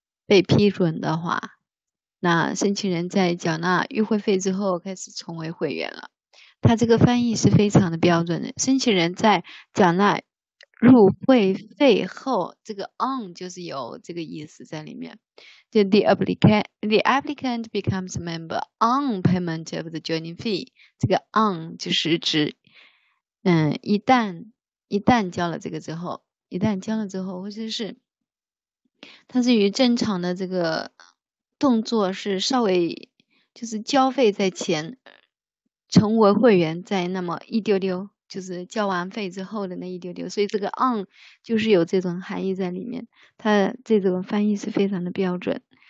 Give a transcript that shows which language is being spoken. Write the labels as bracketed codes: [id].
[zh] 被批准的话，那申请人在缴纳与会费之后开始成为会员了。他这个翻译是非常的标准的。申请人在缴纳入会费后，这个 on 就是有这个意思在里面。 [en] 就 the applicant becomes member on payment of the joining fee。 [zh] 这个 on 就是指，一旦交了这个之后，一旦交了之后，或者是。它是与正常的这个动作是稍微就是交费在前，成为会员在那么一丢丢，就是交完费之后的那一丢丢，所以这个 on 就是有这种含义在里面，它这种翻译是非常的标准。